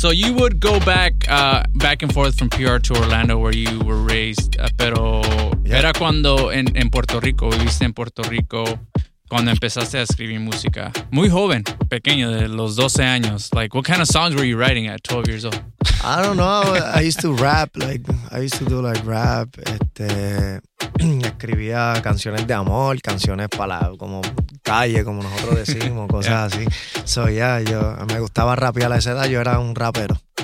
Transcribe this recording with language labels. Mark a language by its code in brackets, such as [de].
[en] So you would go back and forth from PR to Orlando where you were raised, pero yep. [es] Era cuando en Puerto Rico, viviste en Puerto Rico. Cuando empezaste a escribir música, muy joven, pequeño, de los 12 años. [en] Like, what kind of songs were you writing at 12 years old? I don't know. I used to rap. Like, I used to do like rap. [es] Escribía canciones de amor, canciones para la, como calle, como nosotros decimos, cosas yeah. así. So yeah, yo me gustaba rapear a esa edad. Yo era un rapero.